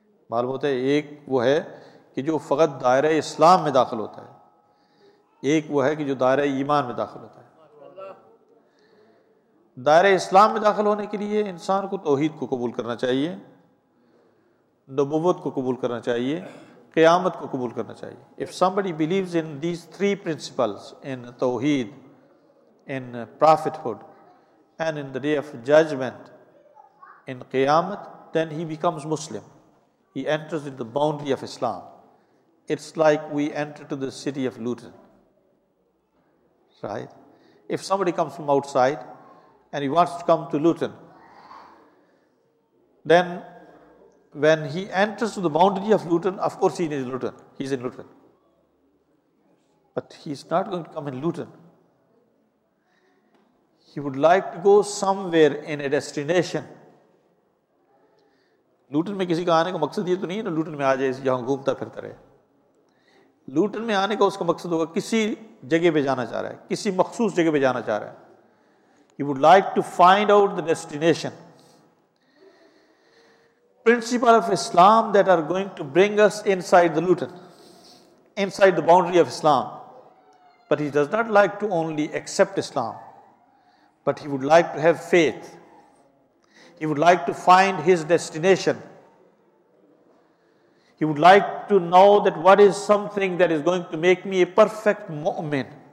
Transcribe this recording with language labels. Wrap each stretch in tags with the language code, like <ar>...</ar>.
<ur>معلوم ہوتا ہے ایک وہ ہے کہ جو فقط دائرہ اسلام میں داخل ہوتا ہے، ایک وہ ہے کہ جو دائرہ ایمان میں داخل ہوتا ہے. دائرہ اسلام میں داخل ہونے کے لیے انسان کو توحید کو قبول کرنا چاہیے، نبوت کو قبول کرنا چاہیے، قیامت کو قبول کرنا چاہیے.</ur> <en>If somebody believes in these three principles, in توحید، in prophethood and in the day of judgment, in قیامت, then he becomes Muslim. He enters into the boundary of Islam. It's like we enter to the city of Luton, right? If somebody comes from outside and he wants to come to Luton, then when he enters to the boundary of Luton, of course he is in Luton. He's in Luton. But he's not going to come in Luton. He would like to go somewhere in a destination.</en> <ur>لوٹن میں کسی کا آنے کا مقصد یہ تو نہیں ہے نا لوٹن میں آ جائے جہاں گھومتا پھرتا رہے. لوٹن میں آنے کا اس کا مقصد ہوگا کسی جگہ پہ جانا چاہ رہا ہے، کسی مخصوص جگہ پہ جانا چاہ رہا ہے.</ur> <en>He would like to find out the destination. Principle of Islam that are going to bring us inside the Luton, inside the boundary of Islam. But he does not like to only accept Islam, but he would like to have faith. He would like to find his destination. He would like to know that what is something that is going to make me a perfect mu'min.</en>